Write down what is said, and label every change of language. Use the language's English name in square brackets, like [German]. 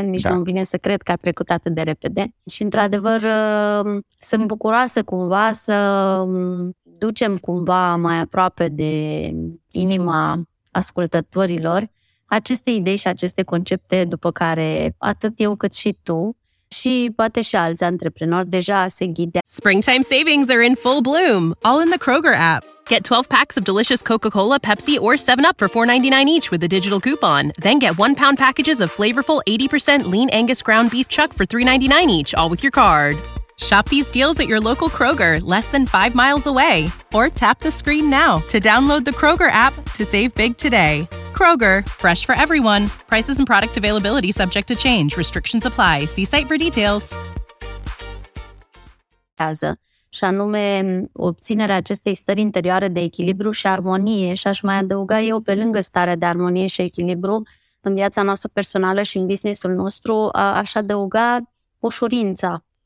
[Romanian] Nici nu-mi vine să cred că a trecut atât de repede. Și într-adevăr, sunt bucuroasă cumva să ducem cumva mai aproape de inima ascultătorilor aceste idei și aceste concepte după care atât eu cât și tu și poate și alți antreprenori deja se ghide. [English] Springtime savings are in full bloom, all in the Kroger app. Get 12 packs of delicious Coca-Cola, Pepsi or 7-Up for $4.99 each with a digital coupon. Then get 1-pound packages of flavorful 80% lean Angus ground beef chuck for $3.99 each, all with your card. Shop these deals at your local Kroger, less than 5 miles away. Or tap the screen now to download the Kroger app to save big today. Kroger, fresh for everyone. Prices and product availability subject to change. Restrictions apply. See site for details. [Romanian] Cază, și anume obținerea acestei stări interioare de echilibru și armonie. Și aș mai adăuga eu, pe lângă starea de armonie și echilibru, în viața noastră personală și în businessul nostru, aș adăuga ușurința.